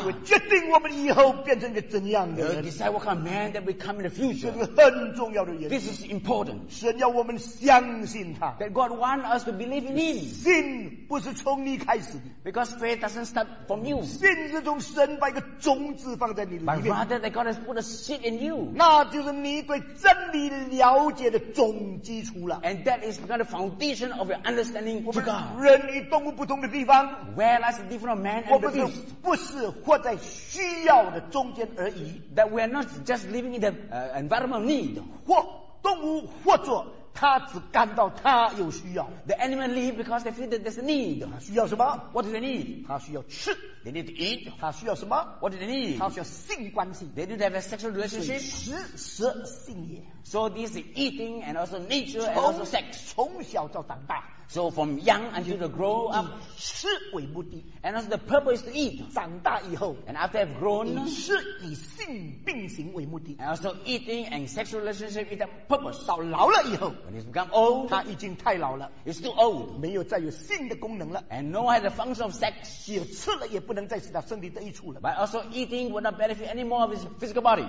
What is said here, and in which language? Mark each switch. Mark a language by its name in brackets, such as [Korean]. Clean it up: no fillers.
[Chinese] 就会决定我们以后变成一个怎样的人。 [English] We'll decide what kind of man that we come in the future. [Chinese] 这是很重要的原因。 [English] This is important. [Chinese] 神要我们相信他。 [English] That God wants us to believe in Him. [Chinese] 信不是从你开始的。 [English] Because faith doesn't start from you. [Chinese] 信是从神把一个种子放在你里面。 [English] But rather that God has put a seed in you. [Chinese] 那就是你对真理了解的总基础了。 [English] And that is the foundation of your understanding of God. [Chinese] 人与动物不同的地方, [English] where lies the difference of man and the beast? [Chinese] 不是活在需要的中间而已, [English] that we are not just living in the environment of need. [Chinese] 或动物或者, 他只感到他有需要, [English] the animal live because they feel that there's a need. [Chinese] 他需要什么? [English] What do they need? [Chinese] 他需要吃, [English] they need to eat. [Chinese] 他需要什么? [English] What do they need? [Chinese] 他需要性关系, [English] they need to have a sexual relationship. [Chinese] 食性也。 [English] So this is eating and also nature and also sex. [Chinese] 从小到长大, [English] so from young until they grow up, [Chinese] 以吃为目的, [English] and also the purpose is to eat. [Chinese] 长大以后, [English] and after they have grown, [Chinese] 以吃以性并行为目的, [English] and also eating and sexual relationship is the purpose. [Chinese] 到老了以后, [English] when it's become old, [Chinese] 他已经太老了, [English] it's too old, [Chinese] 没有再有性的功能了, [English] and no one has the function of sex. [Chinese] 也吃了也不能再使他身体得益处了, [English] but also eating will not benefit any more of his physical body.